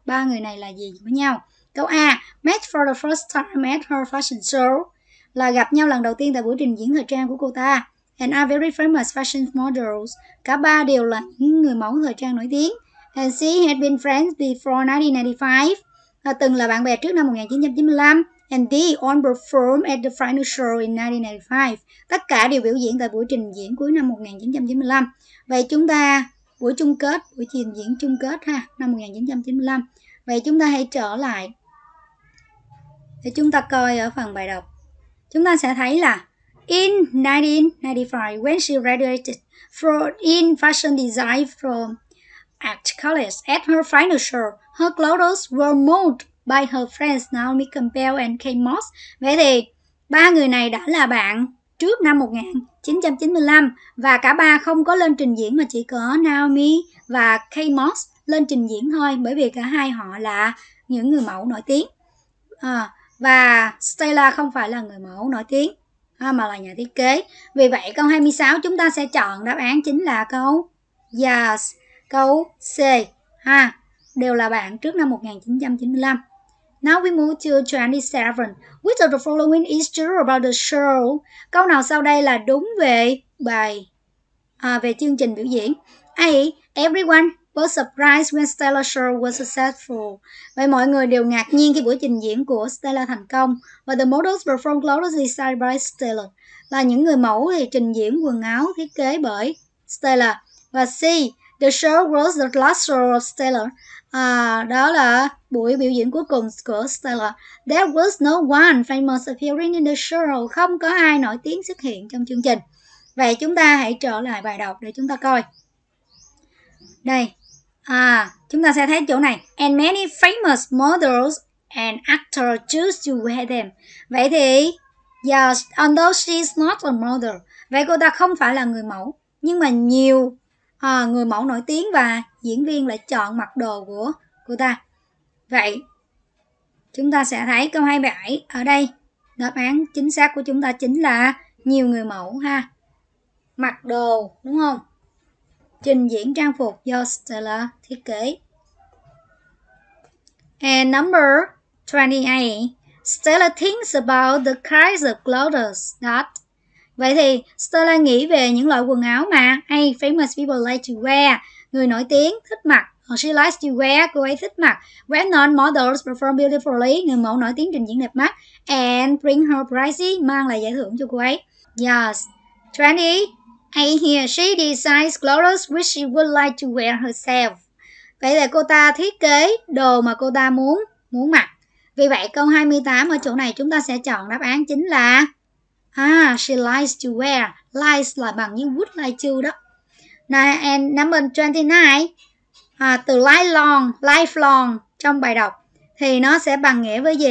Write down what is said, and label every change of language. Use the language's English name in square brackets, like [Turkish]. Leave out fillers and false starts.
[Vietnamese] Ba người này là gì với nhau? Câu A, [English] met for the first time at her fashion show, [Vietnamese] là gặp nhau lần đầu tiên tại buổi trình diễn thời trang của cô ta. [English] And are very famous fashion models. [Vietnamese] Cả ba đều là những người mẫu thời trang nổi tiếng. [English] And she had been friends before 1995. [Vietnamese] Là từng là bạn bè trước năm 1995. [English] And they all performed at the final show in 1995. [Vietnamese] Tất cả đều biểu diễn tại buổi trình diễn cuối năm 1995. Vậy chúng ta, buổi chung kết, buổi trình diễn chung kết ha, năm 1995. Vậy chúng ta hãy trở lại để chúng ta coi ở phần bài đọc. Chúng ta sẽ thấy là [English] in 1995, when she graduated in fashion design from art college, at her final show, her clothes were molded by her friends Naomi Campbell and Kate Moss. [Vietnamese] Vậy thì ba người này đã là bạn trước năm 1995 và cả ba không có lên trình diễn, mà chỉ có Naomi và Kate Moss lên trình diễn thôi, bởi vì cả hai họ là những người mẫu nổi tiếng. À, và Stella không phải là người mẫu nổi tiếng mà là nhà thiết kế. Vì vậy câu 26 chúng ta sẽ chọn đáp án chính là câu yes, câu C ha, đều là bạn trước năm 1995. [English] Now we move to 27. Which of the following is true about the show? [Vietnamese] Câu nào sau đây là đúng về bài về chương trình biểu diễn? [English] A, everyone was surprised when Stella's show was successful. [Vietnamese] Vậy mọi người đều ngạc nhiên khi buổi trình diễn của Stella thành công. Và [English] the models performed clothes designed by Stella, [Vietnamese] là những người mẫu thì trình diễn quần áo thiết kế bởi Stella. [English] Và C, the show was the last show of Stella. [Vietnamese] Đó là buổi biểu diễn cuối cùng của Stella. [English] There was no one famous appearing in the show. [Vietnamese] Không có ai nổi tiếng xuất hiện trong chương trình. Vậy chúng ta hãy trở lại bài đọc để chúng ta coi. Đây, chúng ta sẽ thấy chỗ này. [English] And many famous models and actors choose to wear them. [Vietnamese] Vậy thì, yes, [English] although she's not a model, [Vietnamese] vậy cô ta không phải là người mẫu, nhưng mà nhiều người mẫu nổi tiếng và diễn viên lại chọn mặc đồ của cô ta. Vậy, chúng ta sẽ thấy câu 27 ở đây. Đáp án chính xác của chúng ta chính là nhiều người mẫu ha, mặc đồ, đúng không? Trình diễn trang phục do Stella thiết kế. [English] And number 28, Stella thinks about the kinds of clothes that. [Vietnamese] Vậy thì Stella nghĩ về những loại quần áo mà hey, [English] famous people like to wear. [Vietnamese] Người nổi tiếng thích mặc. [English] She likes to wear, [Vietnamese] cô ấy thích mặc. [English] When non models perform beautifully, [Vietnamese] người mẫu nổi tiếng trình diễn đẹp mắt. [English] And bring her prize, [Vietnamese] mang lại giải thưởng cho cô ấy. Yes, 28. [English] I hear she designs clothes which she would like to wear herself. [Vietnamese] Vậy là cô ta thiết kế đồ mà cô ta muốn mặc. Vì vậy câu 28 ở chỗ này chúng ta sẽ chọn đáp án chính là [English] she likes to wear. [Vietnamese] Likes là bằng như would like to đó. [English] Now, and number 29, [Vietnamese] từ lifelong trong bài đọc thì nó sẽ bằng nghĩa với gì?